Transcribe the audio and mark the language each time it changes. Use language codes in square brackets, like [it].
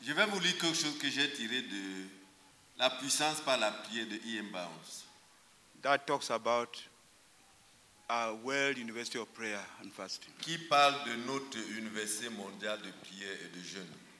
[fr] Je vais vous lire quelque chose que j'ai tiré de La Puissance par la Prière de Ian Bounds. [en] That talks about our World University of Prayer and Fasting. [fr] Qui parle de notre Université Mondiale de Prière et de Jeûne.